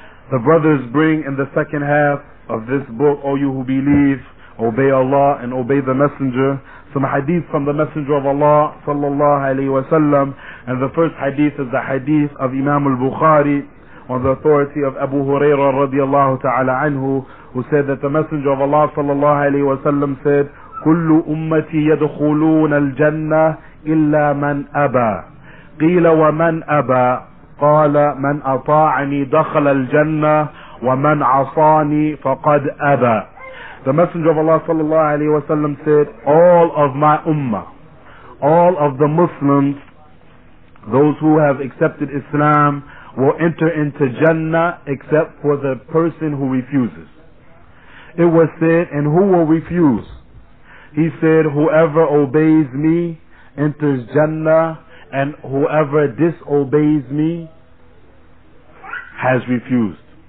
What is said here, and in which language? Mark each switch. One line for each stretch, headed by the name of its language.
English: The brothers bring in the second half of this book, O you who believe, obey Allah and obey the Messenger, some hadith from the Messenger of Allah sallallahu alayhi wa sallam. And the first hadith is the hadith of Imam al-Bukhari on the authority of Abu Huraira radiallahu ta'ala anhu, who said that the Messenger of Allah sallallahu alayhi wa sallam said,
Arabic: كل أمتي يدخلون الجنة إلا من أبى. قيل ومن أبى؟ قال من أطاعني دخل الجنة ومن عصاني فقد أبى.
English: The Messenger of Allah sallallahu alayhi wa sallam said, all of my ummah, all of the Muslims, those who have accepted Islam, will enter into Jannah except for the person who refuses. It was said, and who will refuse? He said, whoever obeys me enters Jannah, and whoever disobeys me has refused.